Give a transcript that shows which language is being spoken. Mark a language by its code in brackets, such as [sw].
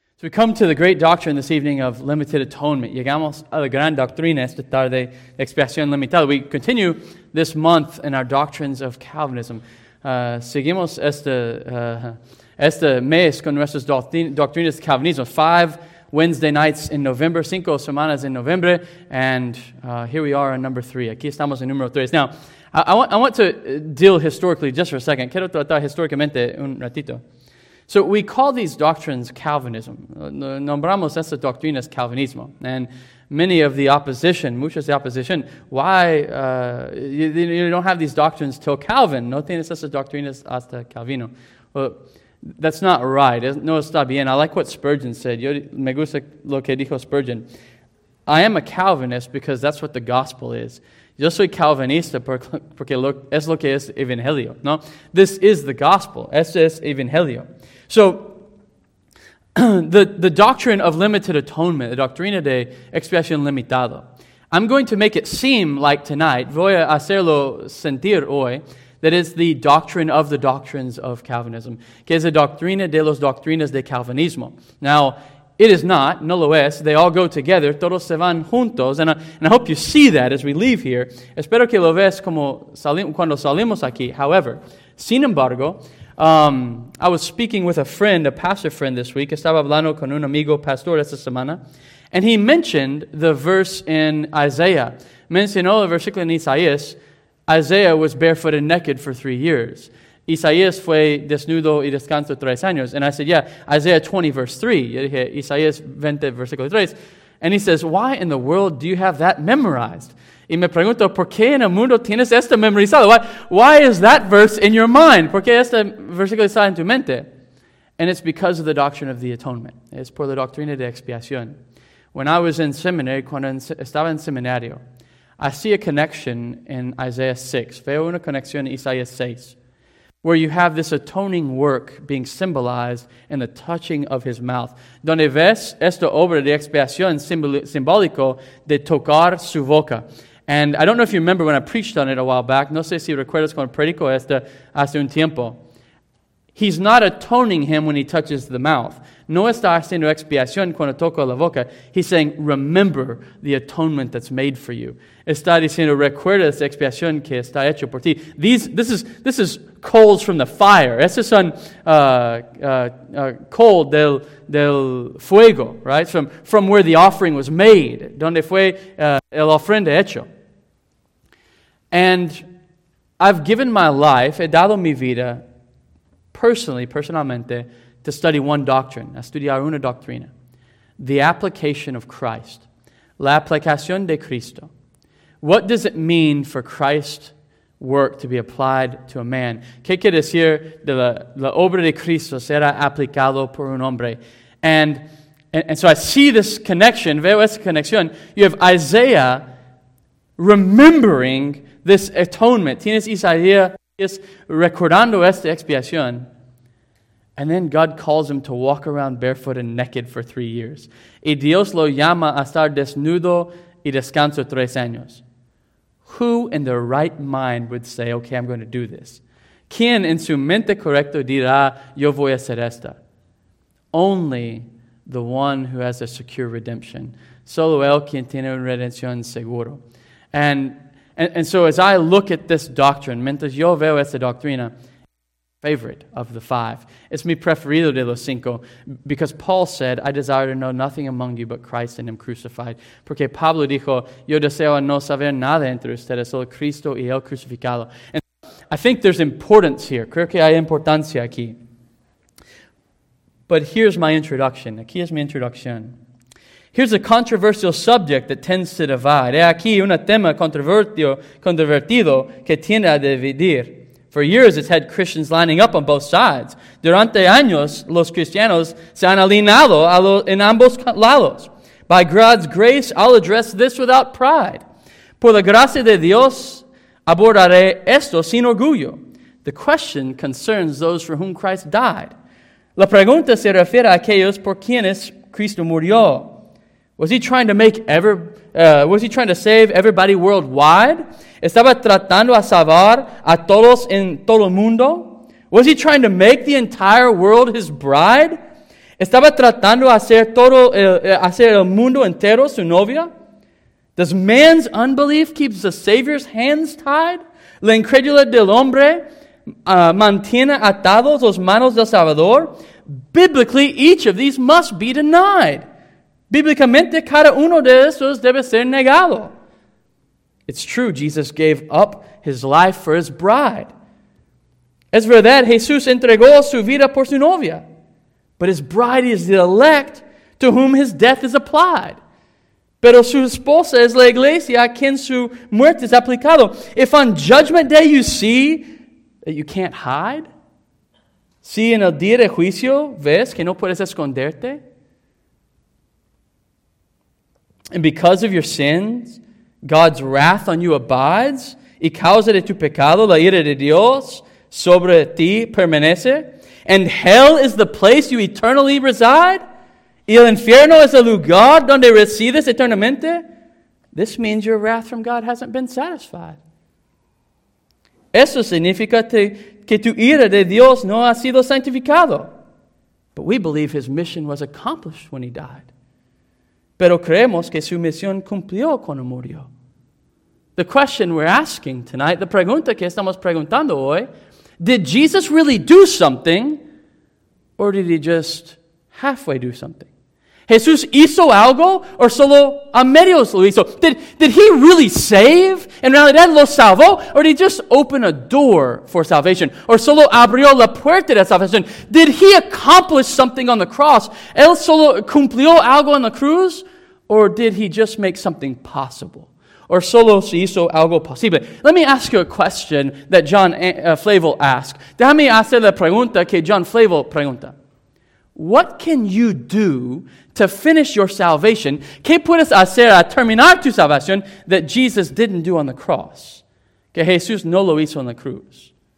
[en] So we come to the great doctrine this evening of limited atonement. [es] Llegamos a la gran doctrina esta tarde de expiación limitada. [en] We continue this month in our doctrines of Calvinism. [es] Seguimos este mes con nuestras doctrinas de Calvinismo. [en] 5 Wednesday nights in November, [es] 5 semanas en noviembre, [en] and here we are on number 3. [es] Aquí estamos en número 3. [en] Now, I want to deal historically just for a second. [es] Quiero tratar históricamente un ratito. [en] So we call these doctrines Calvinism. [es] Nombramos esas doctrinas Calvinismo. [en] And many of the opposition, [es] muchas de opposition, [en] why you don't have these doctrines till Calvin. [es] No tienes esas doctrinas hasta Calvino. [en] Well, that's not right. [es] No está bien. [en] I like what Spurgeon said. [es] Yo me gusta lo que dijo Spurgeon. [en] I am a Calvinist because that's what the gospel is. [es] Yo soy calvinista porque es lo que es evangelio, ¿no? [en] This is the gospel. [es] Esto es evangelio. [en] So, the doctrine of limited atonement, the [es] doctrina de expiación limitada, [en] I'm going to make it seem like tonight, [es] voy a hacerlo sentir hoy, [en] that is the doctrine of the doctrines of Calvinism, [es] que es la doctrina de las doctrinas de Calvinismo. [en] Now, it is not, [es] no lo es, [en] they all go together, [es] todos se van juntos, [en] and I hope you see that as we leave here. [es] Espero que lo ves como cuando salimos aquí. [en] However, [es] sin embargo, [en] I was speaking with a pastor friend this week. [es] Estaba hablando con un amigo pastor esta semana, [en] and he mentioned the verse in Isaiah. [es] Mencionó el versículo en Isaías. [en] Isaiah was barefoot and naked for 3 years. [es] Isaías fue desnudo y descanso 3 años. [en] And I said, yeah, Isaiah 20, verse 3. [es] Yo dije, Isaías 20, versículo 3. [en] And he says, why in the world do you have that memorized? [es] Y me pregunto, ¿por qué en el mundo tienes esto memorizado? [en] Why is that verse in your mind? [es] ¿Por qué este versículo está en tu mente? [en] And it's because of the doctrine of the atonement. [es] Es por la doctrina de expiación. [en] When I was in seminary, [es] cuando estaba en seminario, [en] I see a connection in Isaiah 6. [es] Veo una conexión en Isaías 6. [en] Where you have this atoning work being symbolized in the touching of his mouth. [es] Donde ves esta obra de expiación simbólico de tocar su boca. [en] And I don't know if you remember when I preached on it a while back. [es] No sé si recuerdas cuando predico esta hace un tiempo. [en] He's not atoning him when he touches the mouth. [es] No está haciendo expiación cuando toca la boca. [en] He's saying, remember the atonement that's made for you. [es] Está diciendo, recuerda esa expiación que está hecho por ti. [en] This is coals from the fire. [es] Esos son coal del fuego, [en] right? From where the offering was made. [es] Donde fue el ofrenda hecho. [en] And I've given my life, [es] he dado mi vida, personalmente, [en] to study one doctrine, [es] a estudiar una doctrina, [en] the application of Christ, [es] la aplicación de Cristo. [en] What does it mean for Christ's work to be applied to a man? [es] ¿Qué quiere decir de la obra de Cristo será aplicado por un hombre? [en] And so I see this connection, [es] veo esa conexión. [en] You have Isaiah remembering this atonement. [es] Tienes Isaías recordando esta expiación. [en] And then God calls him to walk around barefoot and naked for 3 years. [es] Y Dios lo llama a estar desnudo y descanso 3 años. [en] Who in their right mind would say, okay, I'm going to do this? [es] ¿Quién en su mente correcto dirá, yo voy a hacer esta? [en] Only the one who has a secure redemption. [es] Solo él quien tiene una redención seguro. [en] And so as I look at this doctrine, [es] mientras yo veo esta doctrina, [en] favorite of the 5. It's [es] mi preferido de los 5 [en] because Paul said, I desire to know nothing among you but Christ and Him crucified. [es] Porque Pablo dijo, yo deseo no saber nada entre ustedes, solo Cristo y Él crucificado. [en] And I think there's importance here. [es] Creo que hay importancia aquí. [en] But here's my introduction. [es] Aquí es mi introducción. [en] Here's a controversial subject that tends to divide. [es] He aquí un tema controvertido que tiende a dividir. [en] For years, it's had Christians lining up on both sides. [es] Durante años, los cristianos se han alineado en ambos lados. [en] By God's grace, I'll address this without pride. [es] Por la gracia de Dios, abordaré esto sin orgullo. [en] The question concerns those for whom Christ died. [es] La pregunta se refiere a aquellos por quienes Cristo murió. [en] Was he trying to save everybody worldwide? [es] ¿Estaba tratando a salvar a todos en todo el mundo? [en] Was he trying to make the entire world his bride? [es] Estaba tratando hacer todo hacer el mundo entero su novia. [en] Does man's unbelief keep the Savior's hands tied? [es] La incredulidad del hombre mantiene atados las manos del Salvador. [en] Biblically, each of these must be denied. [es] Bíblicamente, cada uno de estos debe ser negado. [en] It's true, Jesus gave up his life for his bride. [es] Es verdad, Jesús entregó su vida por su novia. [en] But his bride is the elect to whom his death is applied. [es] Pero su esposa es la iglesia a quien su muerte es aplicado. [en] If on judgment day you see that you can't hide, [es] si en el día de juicio ves que no puedes esconderte, [en] and because of your sins, God's wrath on you abides, [es] y causa de tu pecado la ira de Dios sobre ti permanece, [en] and hell is the place you eternally reside, [es] y el infierno es el lugar donde resides eternamente, [en] this means your wrath from God hasn't been satisfied. [es] Eso significa que tu ira de Dios no ha sido santificado. [en] But we believe his mission was accomplished when he died. [es] Pero creemos que su misión cumplió cuando murió. [en] The question we're asking tonight, the [es] pregunta que estamos preguntando hoy, [en] did Jesus really do something, or did he just halfway do something? [es] ¿Jesús hizo algo, or solo a medios lo hizo? [en] Did he really save? [es] En realidad, ¿lo salvó, [en] or did he just open a door for salvation? [es] ¿Or solo abrió la puerta de salvación? [en] Did he accomplish something on the cross? [es] ¿Él solo cumplió algo en la cruz, or did he just make something possible? Or solo se hizo algo posible. [en] Let me ask you a question that John Flavel asked. [es] Déjame hacer la pregunta que John Flavel pregunta. [en] What can you do to finish your salvation? [es] ¿Qué puedes hacer a terminar tu salvación [en] that Jesus didn't do on the cross? [es] Que Jesús no lo hizo en la cruz.